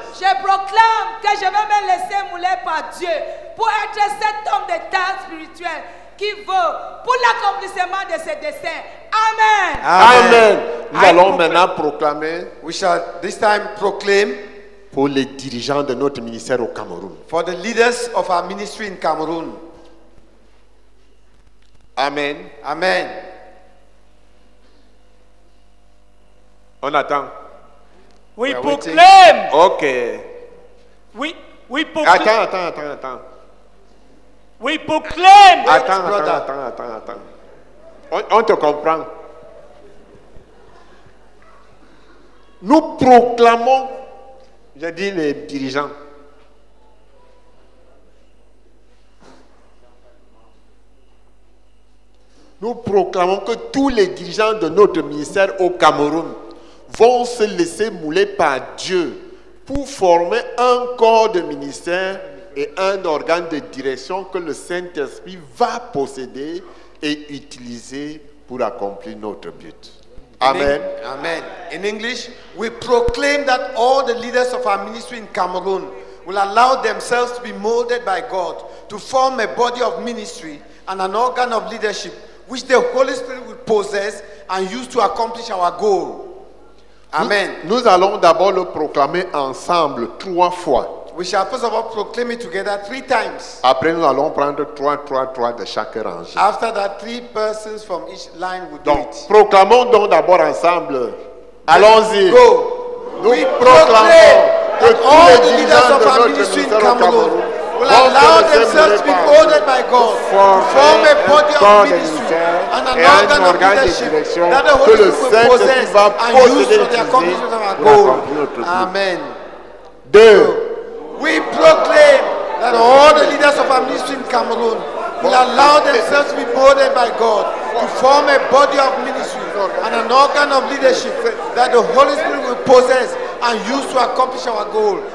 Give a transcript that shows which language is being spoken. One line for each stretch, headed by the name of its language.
French: Je proclame que je vais me laisser mouler par Dieu pour être cet homme d'état spirituel qu'il veut pour l'accomplissement de ses desseins. Amen. Amen. Nous allons maintenant proclamer.
English: We shall this time proclaim
French: pour les dirigeants de notre ministère au Cameroun.
English: For the leaders of our ministry in Cameroon. Amen. Amen.
French: On attend.
English: We proclaim. Ok. We proclaim.
French: Attends.
English: We proclaim.
French: Attends. On te comprend. Nous proclamons, j'ai dit les dirigeants. Nous proclamons que tous les dirigeants de notre ministère au Cameroun vont se laisser mouler par Dieu pour former un corps de ministère et un organe de direction que le Saint-Esprit va posséder et utiliser pour accomplir notre but. Amen. Amen.
English: In English, we proclaim that all the leaders of our ministry in Cameroon will allow themselves to be molded by God to form a body of ministry and an organ of leadership which the Holy Spirit will possess and use to accomplish our goal. Amen.
French: Nous allons d'abord le proclamer ensemble trois fois.
English: We shall first of all proclaim it together three times.
French: Après, nous allons prendre trois de chaque rangée.
English: After that, three persons from each line will
French: donc,
English: do it.
French: Donc, proclamons donc d'abord ensemble. Allons-y.
English: Go.
French: Nous
English: we
French: proclamons que tous les dirigeants de notre ministère au Cameroun
English: will allow themselves to be ordered by God to form a body of ministry and an organ of leadership that the Holy Spirit will possess and use for the accomplishment of our goal.
French: Amen. Deux.
English: We proclaim that all the leaders of our ministry in Cameroon will allow themselves to be ordered by God to form a body of ministry and an organ of leadership that the Holy Spirit will possess and use to accomplish our goal.